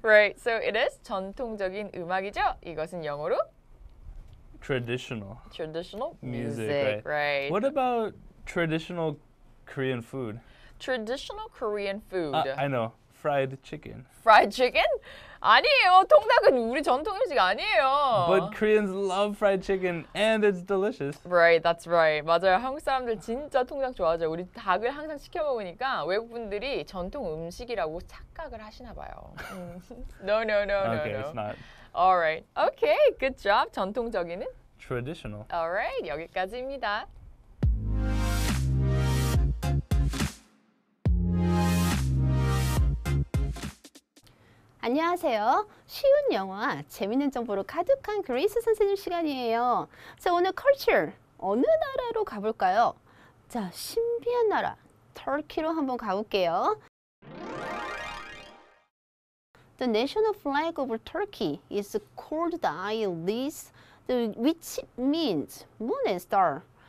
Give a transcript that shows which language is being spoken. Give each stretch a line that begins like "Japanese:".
English: Right. So it is
Korean: 전통적인 음악이죠. 이것은 영어로
English: traditional. Traditional music. Right. What about traditional Korean food? Traditional Korean food. I know. Fried chicken. Fried chicken?
Korean: 아니에요. 통닭은 우리 전통 음식 아니에요.
English: But Koreans love fried chicken and it's delicious. Right, that's right.
Korean: 맞아요. 한국 사람들 진짜 통닭 좋아하죠. 우리 닭을 항상 시켜 먹으니까 외국 분들이 전통 음식이라고 착각을 하시나 봐요.
English: No. Okay, it's not. All right. Okay, good job.
Korean: 전통적인은?
English: Traditional. All right,
Korean: 여기까지입니다.
English: Hello.
Korean: 쉬운 영어와 재밌는 정보로 가득한 그레이스 선생님 시간이에요. 자, 오늘 culture 어느 나라로 가볼까요? 자, 신비한 나라 터키로 한번 가볼게요.
English: The national flag of Turkey is called the iris, which means moon and star.